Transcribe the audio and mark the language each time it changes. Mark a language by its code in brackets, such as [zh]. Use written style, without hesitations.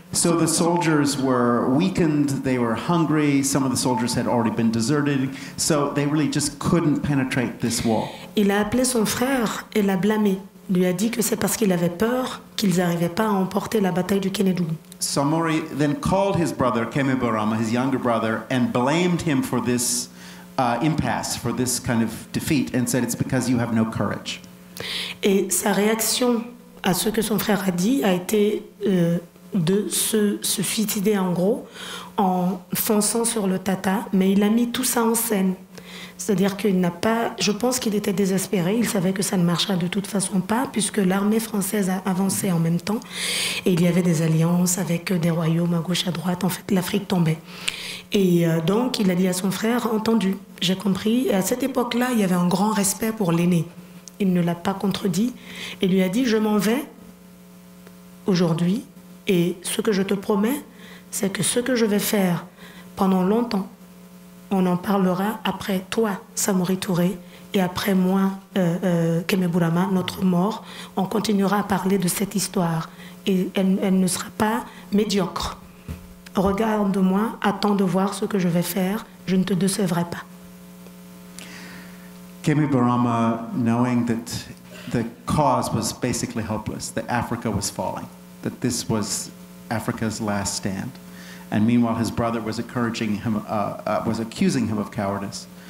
[en] So the soldiers were weakened, they were hungry, some of the soldiers had already been deserted, so they really just couldn't penetrate this wall. [fr] Il a appelé son frère et l'a blâmé. Lui a dit que c'est parce qu'il avait peur qu'ils n'arrivaient pas à emporter la bataille du Kenedougou. Samori then called his brother Kemeburama, his younger brother, and blamed him for this impasse, for this kind of defeat, and said it's because you have no courage. Et sa réaction à ce que son frère a dit a été de se suicider en gros en fonçant sur le Tata, mais il a mis tout ça en scène. C'est-à-dire qu'il n'a pas, je pense qu'il était désespéré, il savait que ça ne marcherait de toute façon pas puisque l'armée française a avancé en même temps et il y avait des alliances avec des royaumes à gauche à droite, en fait l'Afrique tombait. Et donc il a dit à son frère, entendu, j'ai compris. Et à cette époque-là, il y avait un grand respect pour l'aîné. Il ne l'a pas contredit et lui a dit, je m'en vais aujourd'hui. Et ce que je te promets, c'est que ce que je vais faire pendant longtemps, on en parlera après toi, Samori Touré, et après moi, Kemeburama, notre mort. On continuera à parler de cette histoire. Et elle ne sera pas médiocre. Regarde-moi, attends de voir ce que je vais faire. Je ne te décevrai pas. [en] Kemeburama, knowing that the cause was basically hopeless, that Africa was falling, that this was Africa's last stand. And meanwhile, his brother was encouraging him, was accusing him of cowardice.